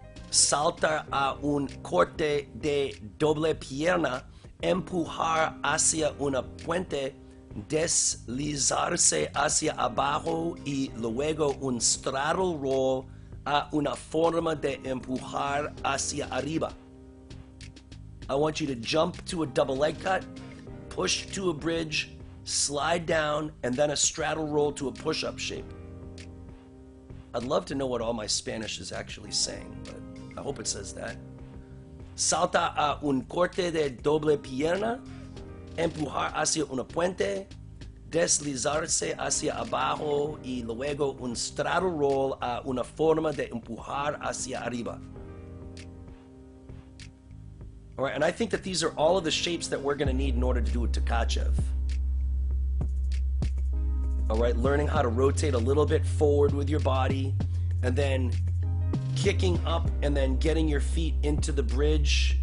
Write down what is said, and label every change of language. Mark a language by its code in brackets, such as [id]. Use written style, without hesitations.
[es] saltar a un corte de doble pierna, empujar hacia una puente, deslizarse hacia abajo y luego un straddle roll a una forma de empujar hacia arriba. [en] I want you to jump to a double leg cut, push to a bridge, slide down, and then a straddle roll to a push-up shape. I'd love to know what all my Spanish is actually saying, but I hope it says that. [es] Salta a un corte de doble pierna, empujar hacia una puente, deslizarse hacia abajo y luego un straddle roll a una forma de empujar hacia arriba. [en] All right, and I think that these are all of the shapes that we're gonna need in order to do a Tkachev. All right, learning how to rotate a little bit forward with your body and then kicking up and then getting your feet into the bridge.